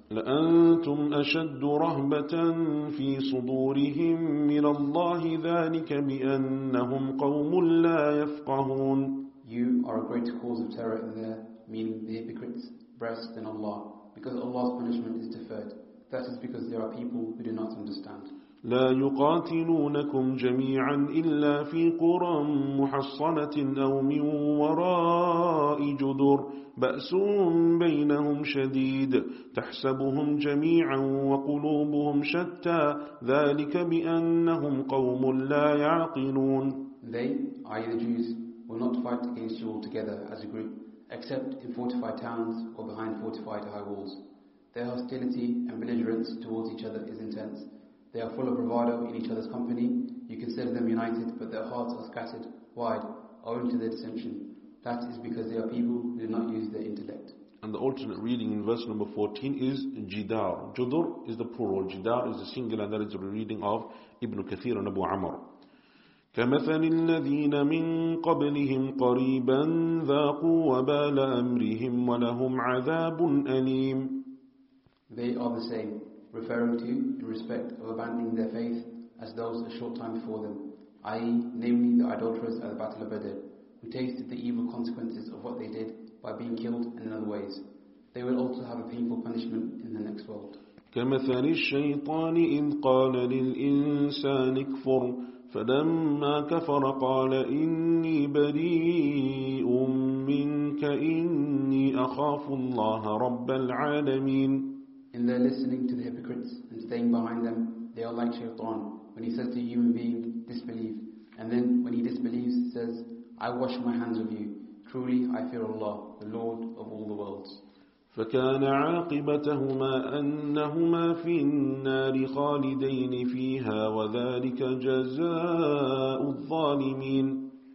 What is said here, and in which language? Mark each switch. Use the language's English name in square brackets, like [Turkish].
[Arabic] لَأَنْتُمْ أَشَدُّ رَهْبَةً فِي صُدُورِهِمْ مِنَ اللَّهِ ذَٰلِكَ بِأَنَّهُمْ قَوْمٌ لَا يَفْقَهُونَ. [English] You are a greater cause of terror in their, meaning the hypocrites, breast than Allah, because Allah's punishment is deferred. That is because there are people who do not understand. [Arabic] لا يقاتلونكم جميعا إلا في قرى محصنة أو من وراء جدر بأس بينهم شديد تحسبهم جميعا وقلوبهم شتى ذلك بأنهم قوم لا يعقلون. [English] They, i.e. the Jews, will not fight against you all together as a group, except in fortified towns or behind fortified high walls. Their hostility and belligerence towards each other is intense. They are full of bravado in each other's company. You consider them united, but their hearts are scattered wide owing to their dissension. That is because they are people who did not use their intellect. And the alternate reading in verse number 14 is Jidar. Judur is the plural. Jidar is the singular, and that is the reading of Ibn Kathir and Abu Amr. [Arabic] كمثل الذين من قبلهم قريبا ذاقوا وبال أمرهم ولهم عذاب أليم. [English] They are the same, referring to in respect of abandoning their faith as those a short time before them, i.e. namely the idolaters at the Battle of Badr, who tasted the evil consequences of what they did by being killed and in other ways. They will also have a painful punishment in the next world. [Arabic] كمثل الشيطان إذ قال للإنسان اكفر فلما كفر قال إني بريء منك إني أخاف الله رب العالمين. [English] In their listening to the hypocrites and staying behind them, they are like Shaytan, when he says to a human being, disbelieve. And then when he disbelieves, he says, I wash my hands of you. Truly, I fear Allah, the Lord of all the worlds. [Arabic] فَكَانَ عَاقِبَتَهُمَا أَنَّهُمَا فِي النَّارِ خَالِدَيْنِ فِيهَا وَذَلِكَ جَزَاءُ الظَّالِمِينَ